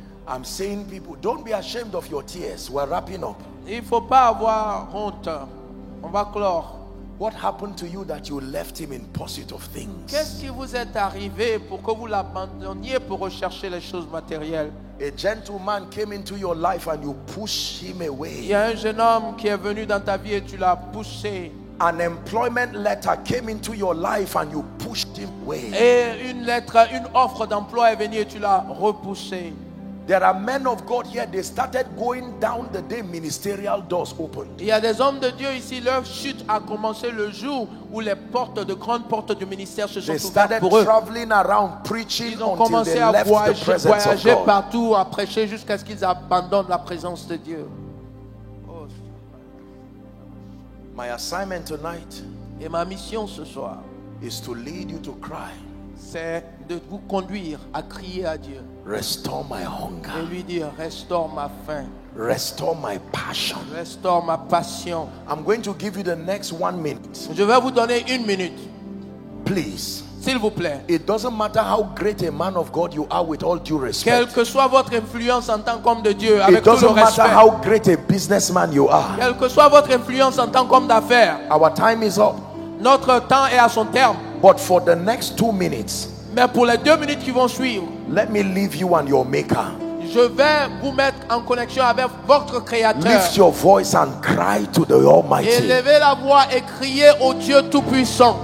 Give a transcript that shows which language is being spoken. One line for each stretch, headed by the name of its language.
English: I'm saying, people, don't be ashamed of your tears. We're wrapping up.
French: Il faut pas avoir honte. On va clore.
English: What happened to you that you left him in pursuit of things?
French: Qu'est-ce qui vous est arrivé pour que vous l'abandonniez pour rechercher les choses matérielles?
English: A gentleman came into your life and you pushed him away.
French: Il y a un jeune homme qui est venu dans ta vie et tu l'as poussé.
English: An employment letter came into your life and you pushed him away.
French: Et une offre d'emploi est venue et tu l'as repoussé.
English: There are men of God here. They started going down the day ministerial doors opened.
French: Il y a des hommes de Dieu ici. Leur chute a commencé le jour où les portes, de grandes portes du ministère, se sont ouvertes pour eux.
English: They started traveling around preaching until they left the presence of God.
French: Ils ont commencé à voyager partout, à prêcher jusqu'à ce qu'ils abandonnent la présence de Dieu.
English: My assignment tonight.
French: Et ma mission ce soir.
English: Is to lead you to cry.
French: C'est de vous conduire à crier à Dieu.
English: Restore my hunger.
French: Et lui dire, restaure ma faim.
English: Restore my passion.
French: Restaure ma passion.
English: I'm going to give you the next 1 minute.
French: Je vais vous donner une minute.
English: Please.
French: S'il vous plaît.
English: It doesn't matter how great a man of God you are, with all due respect.
French: Quelle que soit votre influence en tant qu'homme de Dieu, avec tout le respect.
English: It doesn't matter how great a businessman you are.
French: Quelle que soit votre influence en tant qu'homme d'affaires.
English: Our time is up.
French: Notre temps est à son terme.
English: But for the next 2 minutes.
French: Mais pour les 2 minutes qui vont suivre.
English: Let me leave you and your maker.
French: Je vais vous mettre en connexion avec votre créateur.
English: Lift your voice and cry to the Almighty.
French: Élevez la voix et criez au Dieu Tout-Puissant.